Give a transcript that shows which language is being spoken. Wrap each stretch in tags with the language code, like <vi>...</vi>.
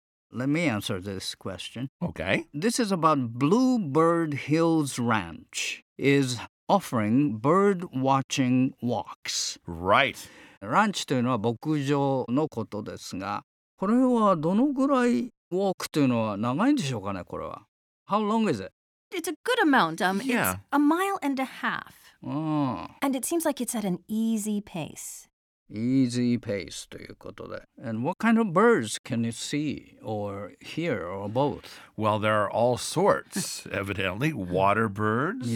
<en>Let me answer this question. Okay. This is about Bluebird Hills Ranch is offering bird watching walks. Right.</en> <ja>Ranch というのは牧場のことですが、これはどのぐらい walk というのは長いんでしょうかね、これは。</ja> <en>How long is it? It's a good amount. Yeah. It's a mile and a half. And it seems like it's at an easy pace. Easy pace</en> <ja>ということで。</ja> <en>And what kind of birds can you see or hear or both? Well, there are all sorts, evidently. Water birds.</en>